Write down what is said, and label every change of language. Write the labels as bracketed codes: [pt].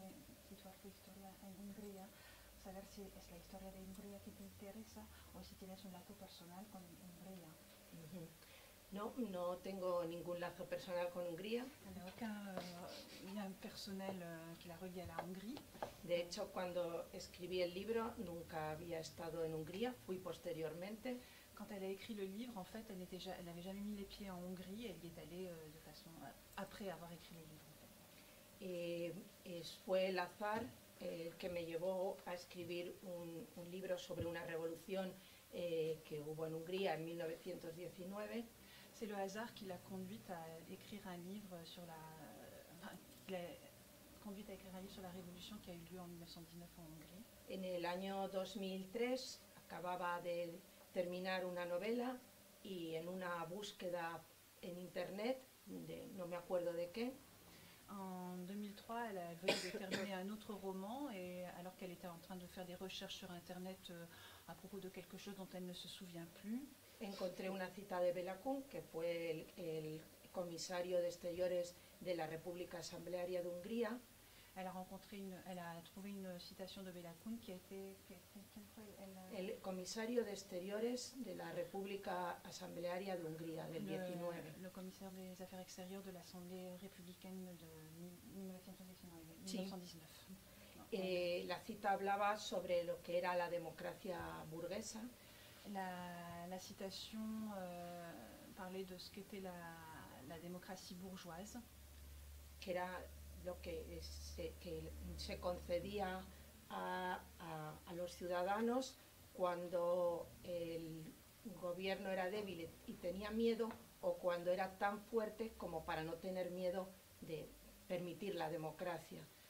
[es] Saber si es la historia de Umbria que te interesa o si tienes un lazo personal con Umbria. No tengo ningún lazo personal con Hungría. No hay [fr] aucun lien personnel que la relie à la Hongrie. [es] De hecho, cuando escribí el libro, nunca había estado en Hungría, fui posteriormente. [fr] Quand elle a écrit le livre, en fait, elle n'avait jamais mis les pieds en Hongrie, elle y est allée de façon après avoir écrit le livre. [es] Et fue el azar que me llevó a escribir un libro sobre una revolución que hubo en Hungría en 1919. [fr] C'est le hasard qui l'a conduite à écrire un livre sur la révolution qui a eu lieu en 1919 en Hongrie. [es] En el año 2003 acababa de terminar una novela y en una búsqueda en internet de no me acuerdo de qué. [fr] En 2003, elle venait de terminer un autre roman et alors qu'elle était en train de faire des recherches sur internet à propos de quelque chose dont elle ne se souvient plus, [es] encontré una cita de Belacón, que fue el comisario de exteriores de la República Asamblearia de Hungría. [fr] elle a rencontré une, elle a trouvé une citation de Belakoun qui a été. [es] El comisario de exteriores de la República Asamblearia de Hungría del 19. [fr] Le commissaire des affaires extérieures de l'Assemblée républicaine de 1919. [es] La cita hablaba sobre lo que era la democracia burguesa. [fr] La citation parlait de ce qu'était la démocratie bourgeoise. [es] Que era lo que se concedía a los ciudadanos cuando el gobierno era débil y tenía miedo, o cuando era tan fuerte como para no tener miedo de permitir la democracia.